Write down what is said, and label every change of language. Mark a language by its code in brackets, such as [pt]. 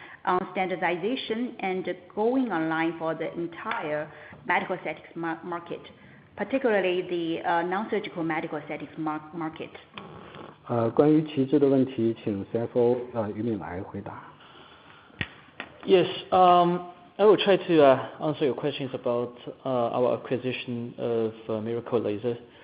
[en] On standardization and going online for the entire medical aesthetics market, particularly the non-surgical medical aesthetics market. [zh] 关于旗帜的问题，请 CFO 于敏来回答。 [en] Yes, I will try to answer your questions about our acquisition of Miracle Laser.